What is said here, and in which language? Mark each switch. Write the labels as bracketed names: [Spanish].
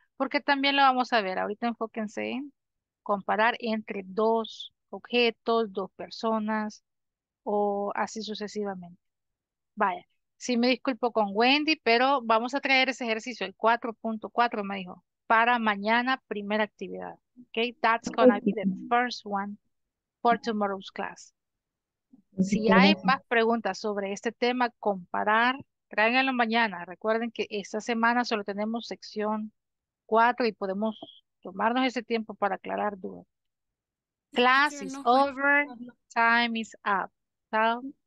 [Spanish] Porque también lo vamos a ver. Ahorita enfóquense en comparar entre dos objetos, dos personas o así sucesivamente. Vaya, sí me disculpo con Wendy, pero vamos a traer ese ejercicio, el 4.4 me dijo, para mañana primera actividad. [English] Ok, that's gonna be the first one for tomorrow's class. [Spanish] Si hay más preguntas sobre este tema, comparar, tráiganlo mañana. Recuerden que esta semana solo tenemos sección 4 y podemos tomarnos ese tiempo para aclarar dudas. [English] Class is over, time is up. So,